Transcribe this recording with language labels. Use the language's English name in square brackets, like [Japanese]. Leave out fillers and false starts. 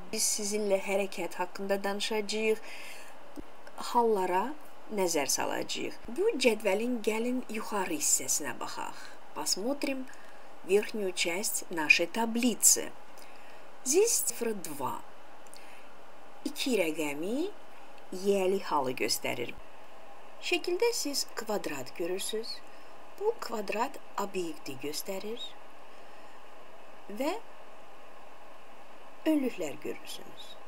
[Azerbaijani] Biz sizinle hərəkət haqqında danışacağıq, hallara nəzər salacağıq. Bu cədvəlin gəlin yuxarı hissəsinə baxaq. [Russian] Посмотрим верхнюю часть нашей таблицы. Здесь цифра 2. [Azerbaijani] İki rəqəmi yəli halı göstərir. Şəkildə siz kvadrat görürsünüz. Bu kvadrat obyekti göstərir. Və önlüklər görürsünüz.